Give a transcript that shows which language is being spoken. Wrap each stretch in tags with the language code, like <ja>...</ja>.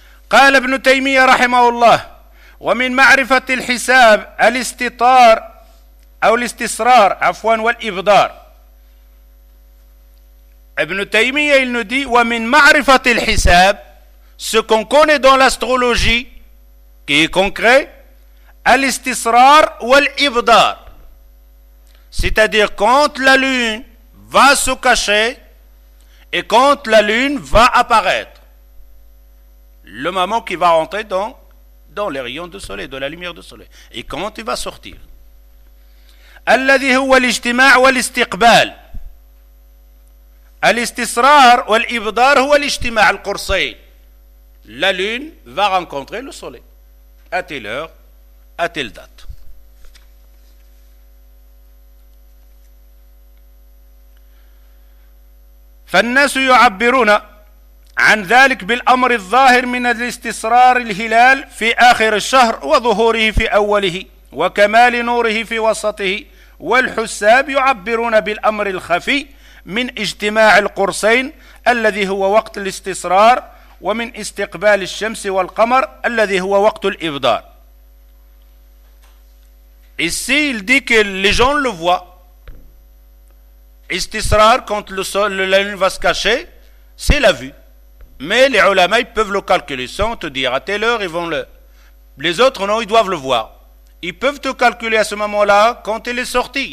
<ar>قال ابن تيمية رحمه الله ومن معرفة الحساب الاستطار أو الاستصرار عفوا والإبدار.</ar> <fr>ابن تيمية il nous dit</fr> <ar>ومن معرفة الحساب,</ar> <fr>ce qu'on connaît dans l'astrologie qui est concret,</fr> <ar>الاستصرار والإبدار.</ar> <fr>c'est-à-dire quand la lune va se cacher et quand la lune va apparaître. Le moment qui va rentrer dans les rayons du soleil, de la lumière du soleil. Et quand il va sortir.</fr> <ar>الذي هو الاجتماع والاستقبال. الاستسرار والإبدار هو الاجتماع القرصين.</ar> <fr>La lune va rencontrer le soleil. À telle heure, à telle date.</fr> <ar>فالناس يعبرون عن ذلك بالأمر الظاهر من الاستسرار الهلال في آخر الشهر وظهوره في أوله وكمال نوره في وسطه والحساب يعبرون بالأمر الخفي من اجتماع القرصين الذي هو وقت الاستسرار ومن استقبال الشمس والقمر الذي هو وقت الإبدار.</ar> <fr>Ici, il dit que les gens le voient. Istisrar, quand le sol, la lune va se cacher, c'est la vue. Mais les ulama, ils peuvent le calculer sans te dire à telle heure, ils vont le. Les autres, non, ils doivent le voir. Ils peuvent te calculer à ce moment-là quand il est sorti.</fr>